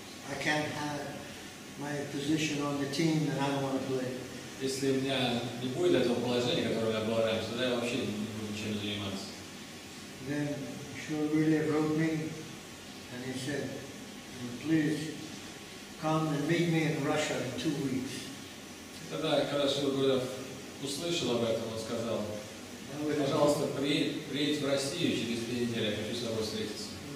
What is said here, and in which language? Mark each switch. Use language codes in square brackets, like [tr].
[en] I can't have my position on the team that I don't want to play. [ru] Если у меня не будет этого положения, которое я был раньше, тогда я вообще не буду ничем заниматься. [en] Then Шрила Гурудев wrote me, and he said, please come and meet me in Russia in 2 weeks. [ru] Тогда когда Шрила Гурудев услышал об этом, он сказал, пожалуйста, приедь в Россию через 2 недели, я хочу с тобой встретиться.